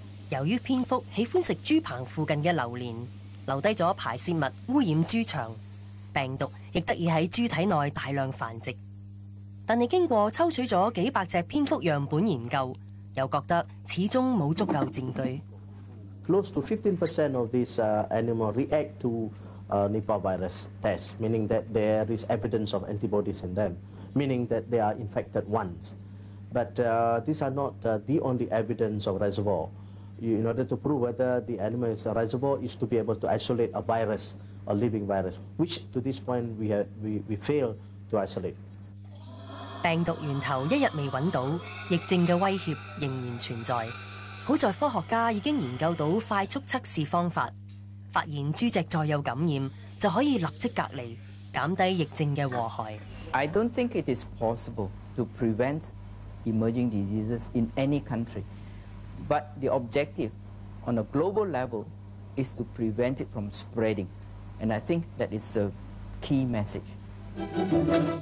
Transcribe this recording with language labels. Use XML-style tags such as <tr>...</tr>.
<yue>由于蝙蝠喜欢食猪棚附近的榴莲，留下了排泄物污染猪场，病毒亦得以在猪体内大量繁殖。但是经过抽取了几百只蝙蝠样本研究，又觉得始终没有足够证据。</yue> <en>Close to 15% of these animals react to Nipah virus test, meaning that there is evidence of antibodies in them, meaning that they are infected once. But these are not the only evidence of reservoir. in order to prove whether the animal is a reservoir is to be able to isolate a virus, a living virus, which to this point we fail to isolate.</en> <yue>病毒源头一日未找到，疫症嘅威胁仍然存在。好在科学家已经研究到快速测试方法，发现猪只再有感染就可以立即隔离，减低疫症嘅祸害。</yue> <en>I don't think it is possible to prevent emerging diseases in any country, but the objective on a global level is to prevent it from spreading, and I think that is the key message.</en>